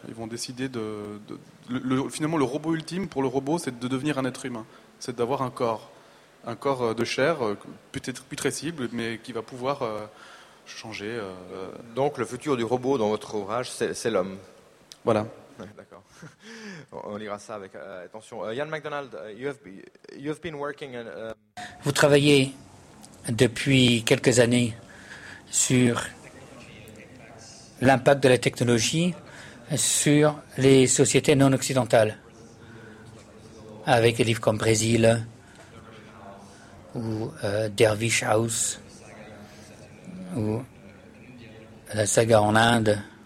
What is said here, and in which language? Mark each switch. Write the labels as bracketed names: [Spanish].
[French] Ils vont décider finalement, le robot ultime pour le robot, c'est de devenir un être humain, c'est d'avoir un corps. Un corps de chair, peut-être putrescible, mais qui va pouvoir changer. Donc le futur du robot dans votre ouvrage, c'est l'homme. Voilà. D'accord. On lira ça avec attention. [English] Ian MacDonald, you have been working. [French] Vous travaillez depuis quelques années sur l'impact de la technologie sur les sociétés non occidentales, avec des livres comme Brésil ou Dervish House ou La saga en Inde.